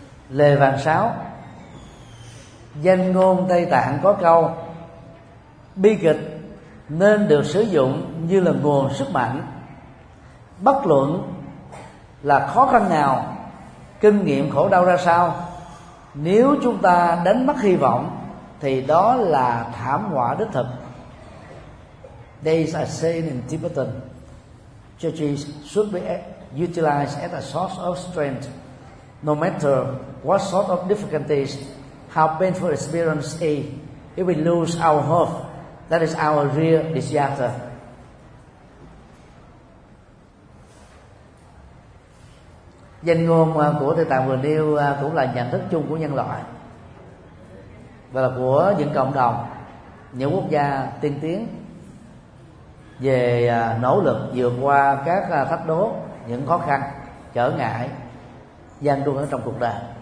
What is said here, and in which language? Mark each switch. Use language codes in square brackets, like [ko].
[vi] Lê Vàng Sáu, danh ngôn Tây Tạng có câu: bi kịch nên được sử dụng như là nguồn sức mạnh. Bất luận là khó khăn nào, kinh nghiệm khổ đau ra sao, nếu chúng ta đánh mất hy vọng thì đó là thảm họa đích thực. [en] There is a saying in Tibetan: churches should be utilized as a source of strength, no matter what sort of difficulties, how painful experience is. If we lose our hope, that is our real disaster. [vi] Danh ngôn của Tây Tạng vừa nêu cũng là nhận thức chung của nhân loại và là của những cộng đồng, những quốc gia tiên tiến về nỗ lực vượt qua các thách đố, những khó khăn, trở ngại gian truân ở trong cuộc đời.